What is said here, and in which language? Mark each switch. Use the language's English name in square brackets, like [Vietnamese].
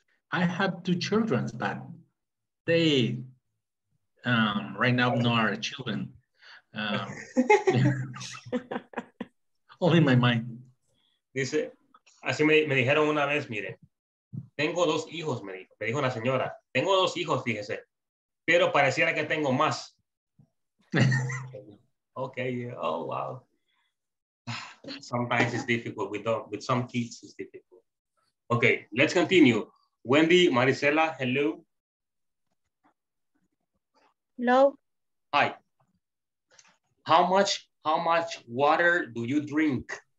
[English] I have two children, but they right now not our children. Only in my mind. [Spanish] Dice, así me dijeron una vez, mire, tengo dos hijos, me dijo una señora. Tengo dos hijos, fíjese, pero pareciera que tengo más. [English] Okay, yeah. Oh, wow. Sometimes it's difficult with some kids, it's difficult. Okay, let's continue. Wendy, Maricela, hello. Hello. Hi. How much water do you drink?